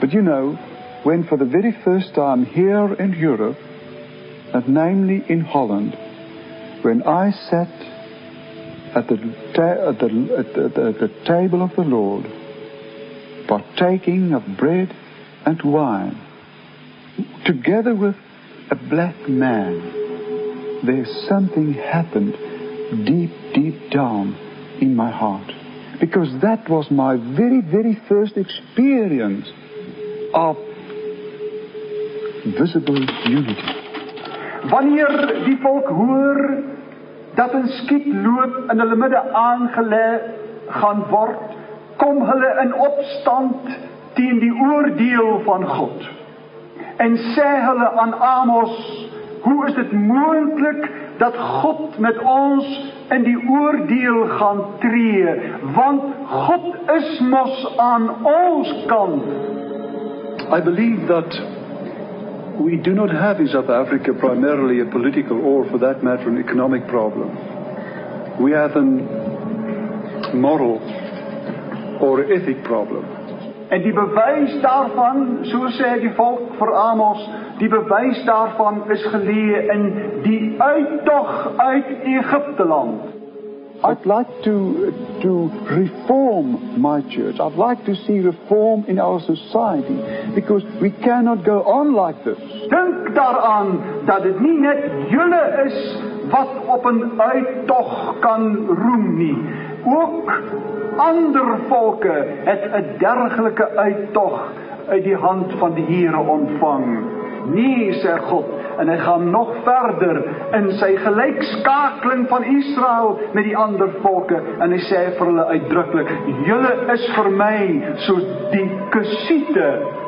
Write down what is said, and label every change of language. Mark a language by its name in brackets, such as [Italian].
[English] But you know, when for the very first time here in Europe, and namely in Holland, when I sat at the table of the Lord, partaking of bread and wine, together with a black man, there's something happened deep, deep down in my heart. Because that was my very, very first experience of visible unity. [Afrikaans] Wanneer die volk hoor dat 'n skietloop in hulle midde aangelê gaan word, kom hulle in opstand teen die oordeel van God en sê hulle aan Amos, hoe is dit moontlik dat God met ons in die oordeel gaan tree, want God is mos aan ons kant. [English] I believe that we do not have in South Africa primarily a political or for that matter an economic problem. We have a moral or ethic problem. [Afrikaans] En die bewys daarvan, so sê die volk vir Amos, die bewys daarvan is geleë in die uittog uit Egipteland. [English] I'd like to reform my church. I'd like to see reform in our society because we cannot go on like this. [Afrikaans] Dink daaraan dat dit nie net julle is wat op 'n uittog kan roem nie. Ook ander volke het 'n dergelike uittog uit die hand van die Here ontvang. Nee, sê God, en hy gaan nog verder in sy gelykskakeling van Israel met die ander volke en hy sê vir hulle uitdruklik, julle is vir my soos die kusiete.